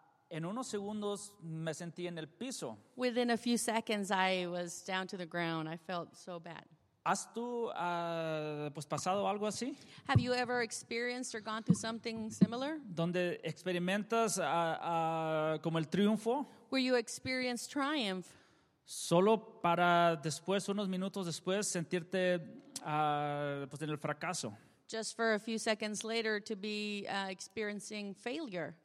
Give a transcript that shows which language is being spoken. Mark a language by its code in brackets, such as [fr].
[es] En unos segundos me sentí en el piso. [en] Within a few seconds, I was down to the ground. I felt so bad. [es] ¿Has tú pues pasado algo así? [en] Have you ever experienced or gone through something similar? [es] ¿Donde experimentas como el triunfo? [en] Where you experience triumph? [es] Solo para después, unos minutos después, sentirte pues en el fracaso. [en] Just for a few seconds later to be experiencing failure.